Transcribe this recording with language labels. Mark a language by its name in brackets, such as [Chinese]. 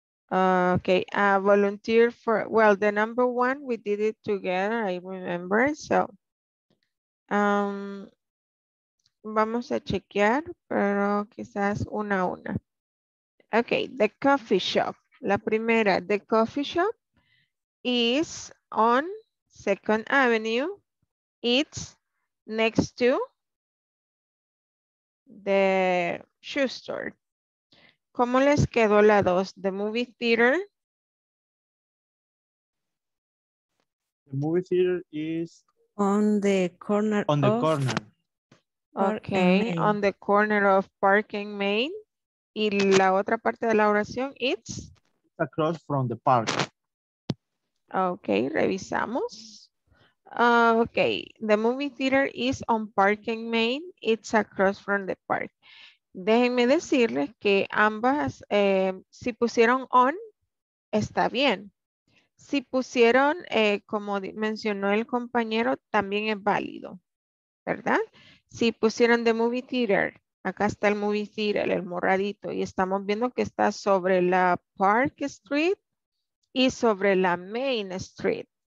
[English] Okay, volunteer for, well, the number one, we did it together, I remember, so. [Spanish] Vamos a chequear, pero quizás una a una. [English] Okay, the coffee shop. [Spanish] La primera, [English] the coffee shop is on Second Avenue. It's next to the shoe store. [Spanish] ¿Cómo les quedó la dos? [English] The movie theater. The movie theater is on the corner. On the corner. Okay, on the corner of Park and Main. [Spanish] Y la otra parte de la oración, it's? [English] Across from the park. [Spanish] Okay, revisamos. [English] Okay, the movie theater is on Park and Main. It's across from the park. [Spanish] Déjenme decirles que ambas, si pusieron on, está bien. Si pusieron, como mencionó el compañero, también es válido, ¿verdad? Si pusieron [English] the movie theater, [Spanish] acá está el movie theater, el moradito, y estamos viendo que está sobre la Park Street y sobre la Main Street.